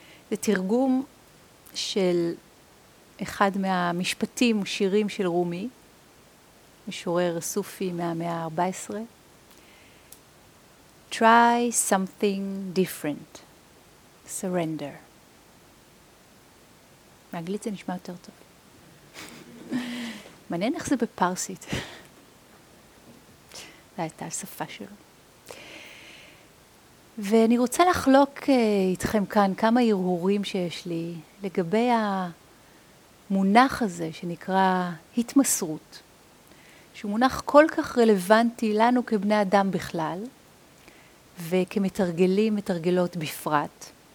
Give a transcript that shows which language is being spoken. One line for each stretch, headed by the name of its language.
Hebrew: זה תרגום של אחד מהמשפטים שירים של רומי, משורר סופי מהמאה ה-14.
English: Try something different. Surrender.
Hebrew: באנגלית זה נשמע יותר טוב. מעניין איך זה בפרסית. זה הייתה השפה שלו. ואני רוצה לחלוק איתכם כאן כמה הרהורים שיש לי לגבי המונח הזה שנקרא התמסרות, שהוא מונח כל כך רלוונטי לנו כבני אדם בכלל, וכמתרגלים, מתרגלות בפרט.